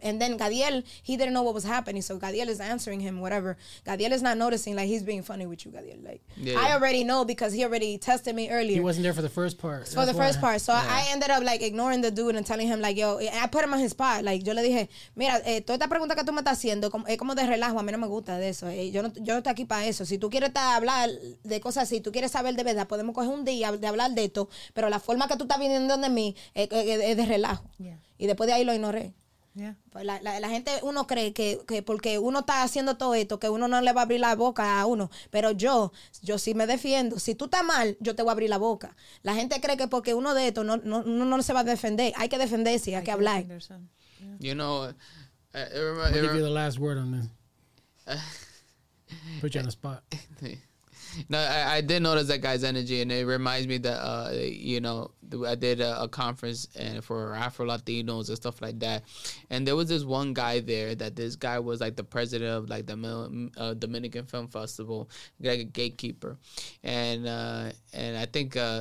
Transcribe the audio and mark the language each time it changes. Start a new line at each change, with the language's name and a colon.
English: And then Gadiel, he didn't know what was happening, so Gadiel is answering him, whatever. Gadiel is not noticing, like, he's being funny with you, Gadiel. Like, I already know, because he already tested me earlier. There for the first part. I ended up like ignoring the dude and telling him, like, yo, I put him on his spot.
Spanish: Like, yo le dije, mira, toda esta pregunta que tú me estás haciendo es como de relajo, a mí no me gusta de eso. Yo no estoy aquí para eso. Si tú quieres hablar de cosas así, tú quieres saber de verdad, podemos coger un día de hablar de esto, pero la forma que tú estás viniendo de mí es de relajo.
English: Yeah.
Spanish: Y después de ahí lo ignoré.
English: Yeah.
Spanish: Pues la gente, uno cree que porque uno está haciendo todo esto, que uno no le va a abrir la boca a uno. Pero yo sí me defiendo. Si tú estás mal, yo te voy a abrir la boca. La gente cree que porque uno de esto no se va a defender. Hay que defenderse, hay que hablar.
English: You know, I'll give you the last word on this. Put you on the spot. No, I did notice that guy's energy, and it reminds me that, you know, I did a conference and for Afro-Latinos and stuff like that, and there was this one guy there that this guy was, like, the president of, like, the Dominican Film Festival, like a gatekeeper, and I think...